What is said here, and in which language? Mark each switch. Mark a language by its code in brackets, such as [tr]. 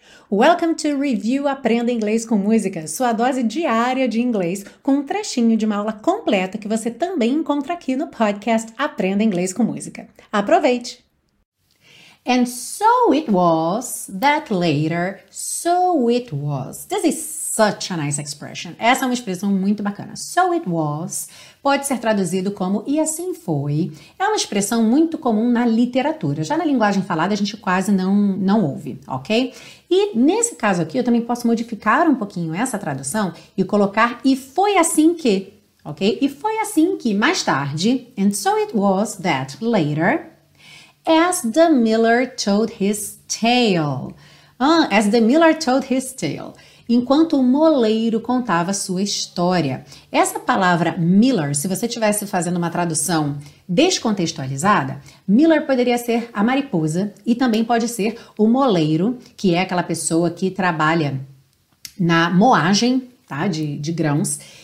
[en] Welcome to [pt] Review Aprenda Inglês com Música, sua dose diária de inglês, com um trechinho de uma aula completa que você também encontra aqui no podcast Aprenda Inglês com Música. Aproveite! [en] And so it was that later, so it was. This is such a nice expression. [pt] Essa é uma expressão muito bacana. So it was pode ser traduzido como e assim foi. É uma expressão muito comum na literatura. Já na linguagem falada a gente quase não ouve, ok? E nesse caso aqui eu também posso modificar um pouquinho essa tradução e colocar e foi assim que, ok? E foi assim que mais tarde, [en] and so it was that later, as the miller told his tale. As the miller told his tale. [pt] Enquanto o moleiro contava sua história. Essa palavra miller, se você estivesse fazendo uma tradução descontextualizada, miller poderia ser a mariposa e também pode ser o moleiro, que é aquela pessoa que trabalha na moagem, tá, de grãos.